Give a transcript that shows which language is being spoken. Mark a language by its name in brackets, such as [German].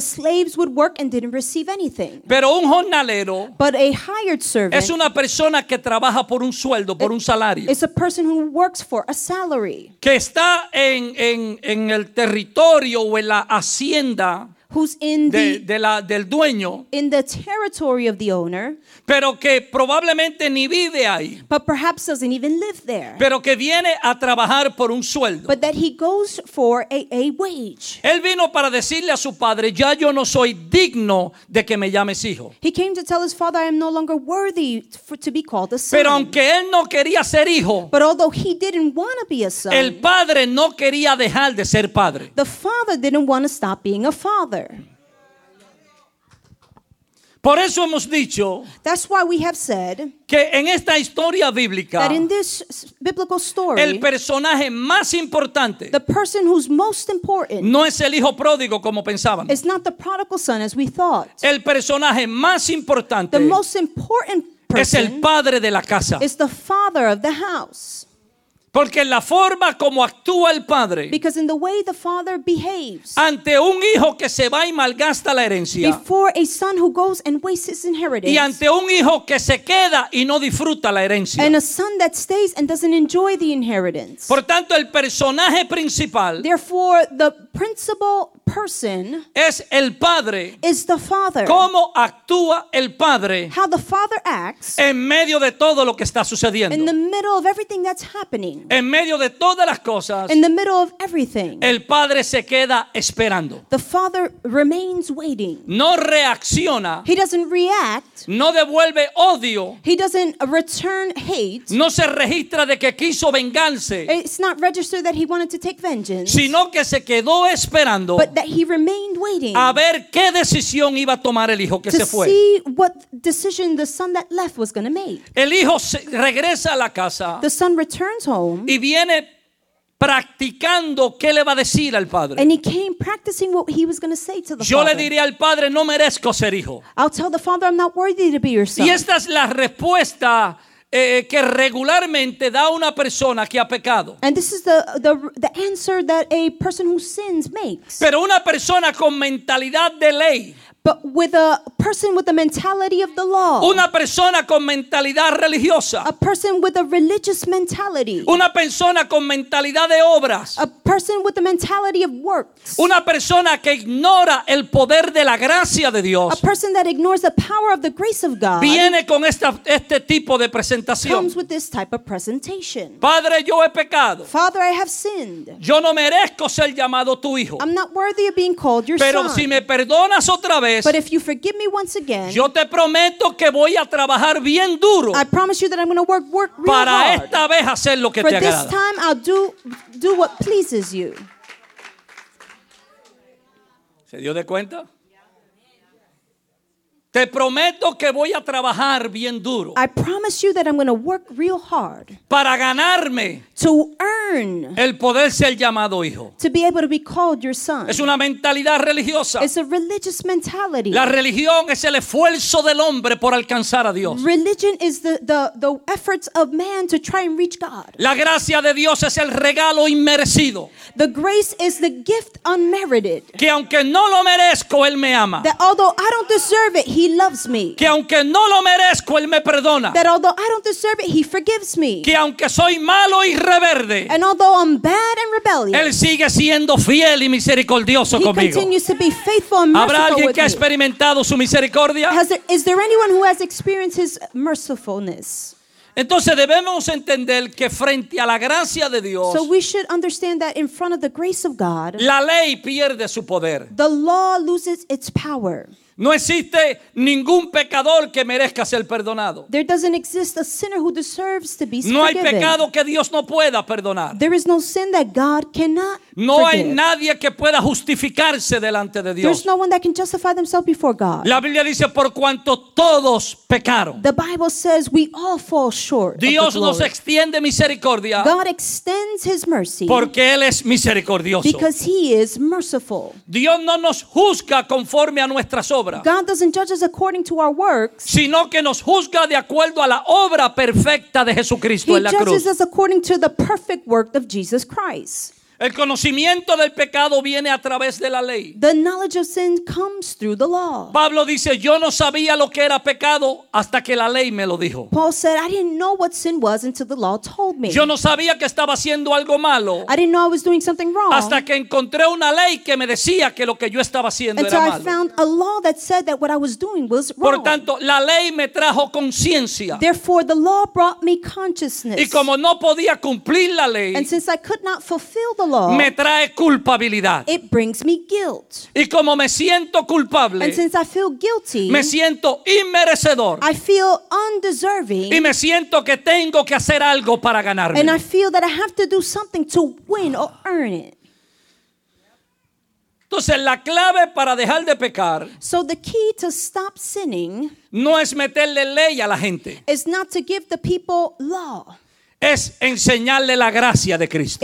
[English] The slaves would work and didn't receive anything. [Spanish] Pero un jornalero, [English] but a hired servant, [Spanish] es una persona que trabaja por un sueldo, por un salario. [English] It's a person who works for a salary. [Spanish] Que está en el territorio o en la hacienda. [English] Who's in the, [Spanish] del dueño, [English] in the territory of the owner, [Spanish] pero que probablemente ni vive ahí, [English] but perhaps doesn't even live there, [Spanish] pero que viene a trabajar por un sueldo, [English] but that he goes for a wage. [Spanish] Él vino para decirle a su padre, ya yo no soy digno de que me llames hijo. [English] He came to tell his father, I am no longer worthy to be called a son. [Spanish] Pero aunque él no quería ser hijo, [English] but although he didn't want to be a son, [Spanish] el padre no quería dejar de ser padre. [English] The father didn't want to stop being a father. [Spanish] Por eso hemos dicho, [English] that's why we have said, [Spanish] que en esta historia bíblica, [English] that in this biblical story, [Spanish] el personaje más importante, [English] the person who's most important, [Spanish] no es el hijo pródigo como pensaban. [English] It's not the prodigal son as we thought. [Spanish] El personaje más importante, [English] the most important person, [Spanish] es el padre de la casa. [English] Is the father of the house. [Spanish] Porque la forma como actúa el padre, [English] because in the way the father behaves, [Spanish] ante un hijo que se va y malgasta la herencia, [English] before a son who goes and wastes his inheritance, [Spanish] y ante un hijo que se queda y no disfruta la herencia, [English] and a son that stays and doesn't enjoy the inheritance. [Spanish] Por tanto, el personaje principal, [English] therefore the principal person, [Spanish] es el padre, [English] is the father. [Spanish] Cómo actúa el padre, [English] how the father acts, [Spanish] en medio de todo lo que está sucediendo, [English] in the middle of everything that's happening. [Spanish] En medio de todas las cosas, [English] in the middle of everything, [Spanish] el padre se queda esperando. [English] The father remains waiting. [Spanish] No reacciona. [English] He doesn't react. [Spanish] No devuelve odio. [English] He doesn't return hate. [Spanish] No se registra de que quiso vengarse. [English] It's not registered that he wanted to take vengeance. [Spanish] Sino que se quedó esperando. [English] But that he remained waiting. [Spanish] A ver qué decisión iba a tomar el hijo que se fue. [English] To see what decision the son that left was going to make. [Spanish] El hijo regresa a la casa. [English] The son returns home, [Spanish] y viene practicando qué le va a decir al padre. [English] And he came practicing what he was going to say to the [Spanish] yo [English] father. [Spanish] Yo le diría al padre, no merezco ser hijo. [English] I'll tell the father, I'm not worthy to be your son. [Spanish] Y esta es la respuesta que regularmente da una persona que ha pecado. [English] And this is the answer that a person who sins makes. [Spanish] Pero una persona con mentalidad de ley, [English] But with a person with the mentality of the law. [Spanish] Una persona con mentalidad religiosa. [English] A person with a religious mentality. [Spanish] Una persona con mentalidad de obras. [English] A person with the mentality of works. [Spanish] Una persona que ignora el poder de la gracia de Dios. [English] A person that ignores the power of the grace of God. [Spanish] Viene con este tipo de presentación. [English] Comes with this type of presentation. [Spanish] Padre, yo he pecado. [English] Father, I have sinned. [Spanish] Yo no merezco ser llamado tu hijo. [English] I'm not worthy of being called your [Spanish] Pero [English] son. [Spanish] Pero si me perdonas otra [English] But if you forgive me once again, [Spanish] yo te prometo que voy a trabajar bien duro. [English] I promise you that I'm going to work real [Spanish] para [English] hard. [Spanish] Esta vez hacer lo que [English] For [Spanish] te [English] this [Spanish] agrada. [English] Time, I'll do what pleases you. [Spanish] ¿Se dio de cuenta? Te prometo que voy a trabajar bien duro. [English] I promise you that I'm going to work real hard. [Spanish] Para ganarme. [English] To earn. [Spanish] El poder ser llamado hijo. [English] To be able to be called your son. [Spanish] Es una mentalidad religiosa. [English] It's a religious mentality. [Spanish] La religión es el esfuerzo del hombre por alcanzar a Dios. [English] Religion is the efforts of man to try and reach God. [Spanish] La gracia de Dios es el regalo inmerecido. [English] The grace is the gift unmerited. [Spanish] Que aunque no lo merezco, él me ama. [English] That although I don't deserve it, He loves me. [Spanish] Que aunque no lo merezco, él me perdona. [English] That although I don't deserve it, he forgives me. [Spanish] Que aunque soy malo y reverde, [English] and although I'm bad and rebellious, [Spanish] él sigue siendo fiel y misericordioso [English] he [Spanish] conmigo. [English] Continues to be faithful and merciful. [Spanish] ¿Habrá alguien [English] with [Spanish] que [English] me? [Spanish] Ha experimentado su misericordia? [English] Is there anyone who has experienced his mercifulness? [Spanish] Entonces debemos entender que frente a la gracia de Dios, [English] so we should understand that in front of the grace of God, [Spanish] la ley pierde su poder. [English] The law loses its power. [Spanish] No existe ningún pecador que merezca ser perdonado. [English] There doesn't exist a sinner who deserves to be forgiven. [Spanish] No hay pecado que Dios no pueda perdonar. [English] There is no sin that God cannot forgive. [Spanish] No hay nadie que pueda justificarse delante de Dios. [English] There's no one that can justify themselves before God. [Spanish] La Biblia dice por cuanto todos pecaron. [English] The Bible says we all fall short. [Spanish] Dios nos extiende misericordia. [English] God extends his mercy. [Spanish] Porque él es misericordioso. [English] Because he is merciful. [Spanish] Dios no nos juzga conforme a nuestras [English] God doesn't judge us according to our works, [Spanish] sino que nos juzga de acuerdo a la obra perfecta de Jesucristo en la cruz. [English] He judges us according to the perfect work of Jesus Christ. [Spanish] El conocimiento del pecado viene a través de la ley. [English] The knowledge of sin comes through the law. [Spanish] Pablo dice, yo no sabía lo que era pecado hasta que la ley me lo dijo. [English] Paul said, I didn't know what sin was until the law told me. [Spanish] Yo no sabía que estaba haciendo algo malo. [English] I didn't know I was doing something wrong. [Spanish] Hasta que encontré una ley que me decía que lo que yo estaba haciendo [English] until [Spanish] era [English] I [Spanish] malo. [English] Found a law that said that what I was doing was wrong. [Spanish] Por tanto, la ley me trajo conciencia. [English] Therefore, the law brought me consciousness. [Spanish] Y como no podía cumplir la ley, [English] and since I could not fulfill the law, [Spanish] me trae culpabilidad. [English] It brings me guilt. [Spanish] Y como me siento culpable, [English] and since I feel guilty, [Spanish] me siento inmerecedor. [English] I feel undeserving. [Spanish] Y me siento que tengo que hacer algo para ganarme. [English] And I feel that I have to do something to win or earn it. [Spanish] Entonces la clave para dejar de pecar, [English] so the key to stop sinning, [Spanish] no es meterle ley a la gente. [English] Is not to give the people law. [Spanish] Es enseñarle la gracia de Cristo.